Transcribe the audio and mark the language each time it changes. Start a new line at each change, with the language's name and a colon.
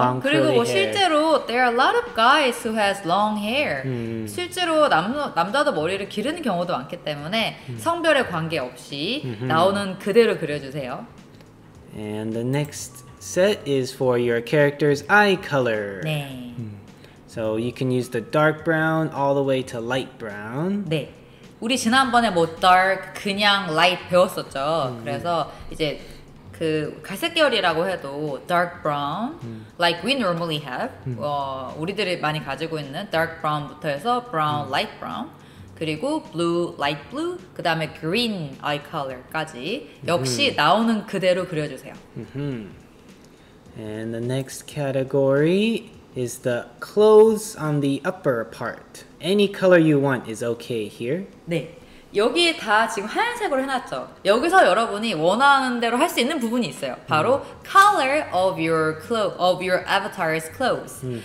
English: Long
Korean: 그리고 뭐 실제로
English: there are a lot of guys who has long hair.
Korean: 실제로 남자도 머리를 기르는 경우도 많기 때문에 성별에 관계없이 나오는 그대로 그려주세요.
English: And the next set is for your character's eye color.
Korean: 네.
English: So you can use the dark brown all the way to light brown.
Korean: 네. 우리 지난번에 뭐 dark, 그냥 light 배웠었죠. 그래서 이제 그 갈색 계열이라고 해도 dark brown,
English: like we normally have,
Korean: 우리들이 많이 가지고 있는 dark brown부터 해서 brown, light brown. 그리고 blue, light blue, 그 다음에 green eye color까지 역시 나오는 그대로 그려주세요.
English: And the next category is the clothes on the upper part. Any color you want is okay here.
Korean: 네, 여기 다 지금 하얀색으로 해놨죠. 여기서 여러분이 원하는 대로 할 수 있는 부분이 있어요.
English: 바로 color of your clothes, of your avatar's clothes.